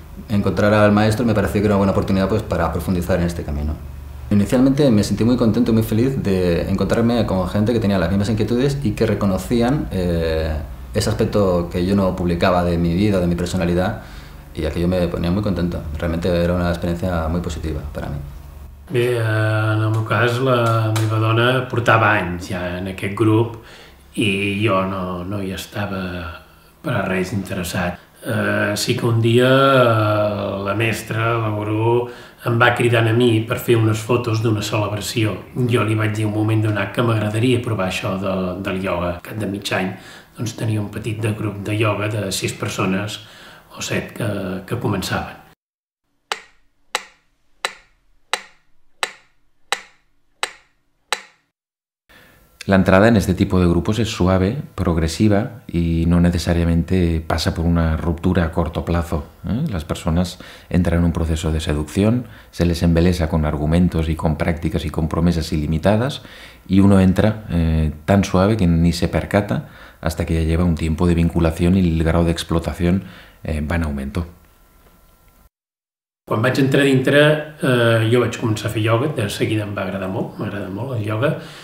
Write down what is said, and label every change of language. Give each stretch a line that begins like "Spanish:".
Spanish: Encontrar al maestro me pareció que era una buena oportunidad pues, para profundizar en este camino. Inicialmente me sentí muy contento y muy feliz de encontrarme con gente que tenía las mismas inquietudes y que reconocían ese aspecto que yo no publicaba de mi vida, de mi personalidad y a que yo me ponía muy contento. Realmente era una experiencia muy positiva para mí.
Catalan: Bé, en el meu cas, la meva dona portava anys ja en aquest grup i jo no hi estava per a res interessat. Sí que un dia la mestra, la gurú, em va cridant a mi per fer unes fotos d'una celebració. Jo li vaig dir un moment donat que m'agradaria provar això del ioga. Al cap de mig any doncs, tenia un petit de grup de ioga de 6 persones o 7 que començaven.
Spanish: La entrada en este tipo de grupos es suave, progresiva y no necesariamente pasa por una ruptura a corto plazo. Las personas entran en un proceso de seducción, se les embelesa con argumentos y con prácticas y con promesas ilimitadas y uno entra tan suave que ni se percata hasta que ya lleva un tiempo de vinculación y el grado de explotación va en aumento.
Catalan: Quan vaig entrar dintre, jo vaig començar a fer ioga, de seguida em va agradar molt, m'agrada molt el ioga.